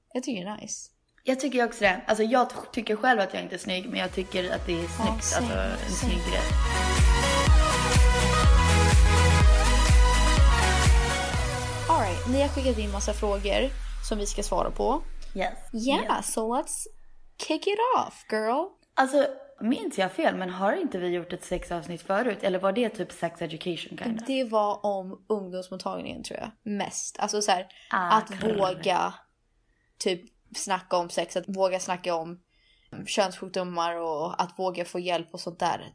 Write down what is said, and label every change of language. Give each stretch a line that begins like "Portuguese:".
Swedish: Jag tycker det är nice. Jag tycker också det. Alltså jag tycker själv att jag inte är snygg, men jag tycker att det är snyggt. Ja, alltså en snygg grej.
English: All right,
Swedish: ni har skickat in massa frågor som vi ska svara på.
English: Yes. Yeah, yeah, so let's kick it off, girl.
Swedish: Alltså, minns jag fel, men har inte vi gjort ett sexavsnitt förut? Eller var det typ
English: sex education, kind of?
Swedish: Det var om ungdomsmottagningen, tror jag. Mest. Alltså så här, att våga typ snacka om sex, att våga snacka om könssjukdomar och att våga få hjälp och sånt där.